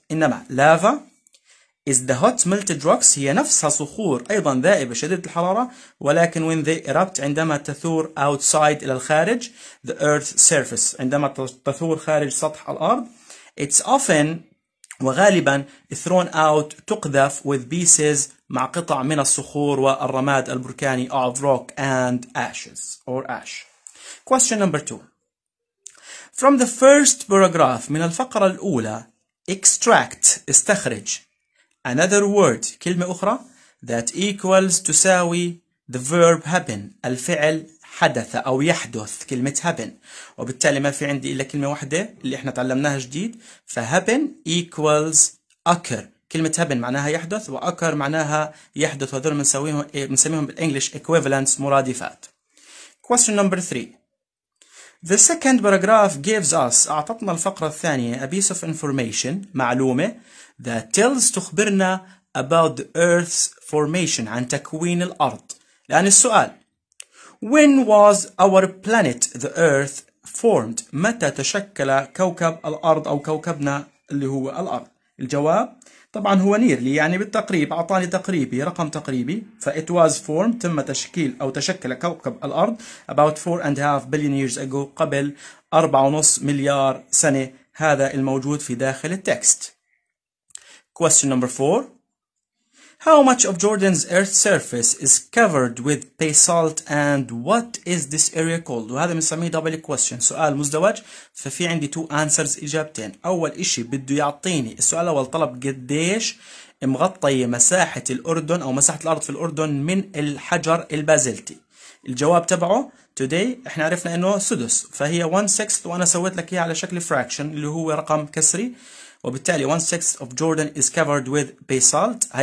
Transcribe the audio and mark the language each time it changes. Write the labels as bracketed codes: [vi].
[ar] إنما [en] lava is the hot melted rocks, [ar] هي نفسها صخور أيضا ذائبة شديدة الحرارة, ولكن [en] when they erupt, [ar] عندما تثور outside إلى الخارج [en] the earth's surface, [ar] عندما تثور خارج سطح الأرض, [en] it's often [ar] وغالبا [en] thrown out, [ar] تقذف [en] with pieces, [ar] مع قطع من الصخور والرماد البركاني [en] of rock and ashes or ash. Question number two. From the first paragraph, [ar] من الفقرة الأولى, [en] extract, استخرج, another word, كلمة أخرى, that equals, تساوي, the verb happen, [ar] الفعل حدث أو يحدث, [en] كلمة happen. [ar] وبالتالي ما في عندي إلا كلمة واحدة اللي احنا تعلمناها جديد, ف [en] happen equals occur. [ar] كلمة happen معناها يحدث, وoccur معناها يحدث, وهذول بنسميهم بالإنجليش equivalence, مرادفات. [en] Question number three. The second paragraph gives us, [ar] أعطتنا الفقرة الثانية, [en] a piece of information, معلومة, that tells, تخبرنا about the earth's formation, [ar] عن تكوين الأرض. [en] لأن السؤال, when was our planet, the earth, formed? [ar] متى تشكل كوكب الأرض أو كوكبنا اللي هو الأرض؟ الجواب, طبعا هو nearly, يعني بالتقريب, أعطاني تقريبي, رقم تقريبي, ف [en] It was formed, [ar] تم تشكيل أو تشكل كوكب الأرض [en] about 4.5 billion years ago, [ar] قبل 4.5 مليار سنة, هذا الموجود في داخل التكست. [en] Question number 4. How much of Jordan's earth surface is covered with basalt and what is this area called? [ar] وهذا بنسميه [en] double question, [ar] سؤال مزدوج, ففي عندي [en] two answers, [ar] إجابتين. أول إشي بده يعطيني, السؤال الأول طلب قديش مغطي مساحة الأردن أو مساحة الأرض في الأردن من الحجر البازلتي. الجواب تبعه today احنا عرفنا انه سدس, فهي 1/6, وانا سويت لك اياها على شكل fraction اللي هو رقم كسري, وبالتالي [en] 1/6 of Jordan is covered with basalt.